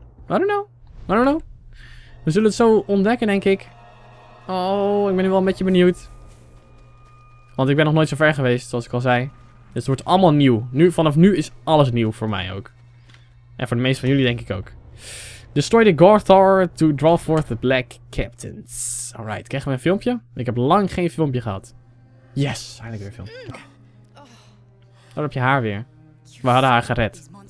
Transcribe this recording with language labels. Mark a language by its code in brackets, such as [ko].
[en] I don't know. [nl] We zullen het zo ontdekken, denk ik. Oh, ik ben nu wel een beetje benieuwd. Want ik ben nog nooit zo ver geweest, zoals ik al zei. Dus het wordt allemaal nieuw. Nu, vanaf nu is alles nieuw voor mij ook. En voor de meeste van jullie, denk ik ook. [en] Destroy the Gorthar to draw forth the Black Captains. [nl] Alright, krijgen we een filmpje? Ik heb lang geen filmpje gehad. Yes, eindelijk weer een filmpje. Okay. Daar heb je haar weer. We hadden haar gered.